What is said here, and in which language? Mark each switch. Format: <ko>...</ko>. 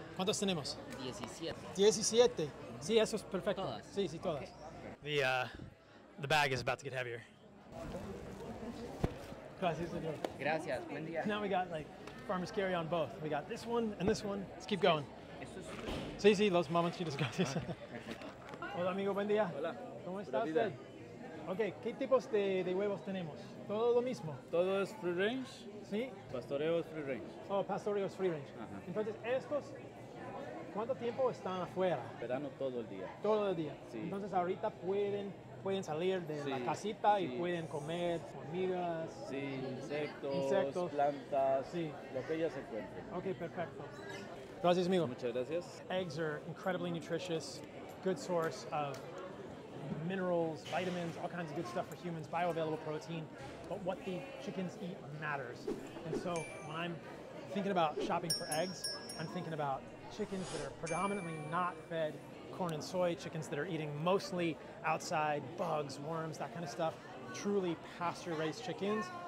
<es>¿Cuántos tenemos? 17. Sí, eso es perfecto. Todas. Sí, sí, todas.</es> <en>Okay. The bag is about to get heavier.</en> <es>Gracias, señor. Gracias, buen día.</es> <en>Now we got like farmers carry on both. We got this one and this one. Let's keep going.</en> <es>Sí, sí, los mamonchitos, gracias. Hola, amigo, buen día. Hola. ¿Cómo estás, Ted? Okay, ¿qué tipos de huevos tenemos? Todo lo mismo. Todo es free range. Sí. Pastoreo es free range. Oh, pastoreo es free range. Uh-huh. Entonces, estos, ¿cuánto tiempo están afuera? Verano todo el día. Todo el día. Sí. Entonces, ahorita pueden salir de sí, la casita sí. Y pueden comer hormigas, sí, insectos, plantas, sí. Lo que ellas encuentren. Okay, perfecto. Gracias, amigo. Muchas gracias.</es> <en>Eggs are incredibly nutritious, good source of minerals, vitamins, all kinds of good stuff for humans, bioavailable protein, but what the chickens eat matters. And so when I'm thinking about shopping for eggs, I'm thinking about chickens that are predominantly not fed corn and soy, chickens that are eating mostly outside, bugs, worms, that kind of stuff, truly pasture-raised chickens.</en>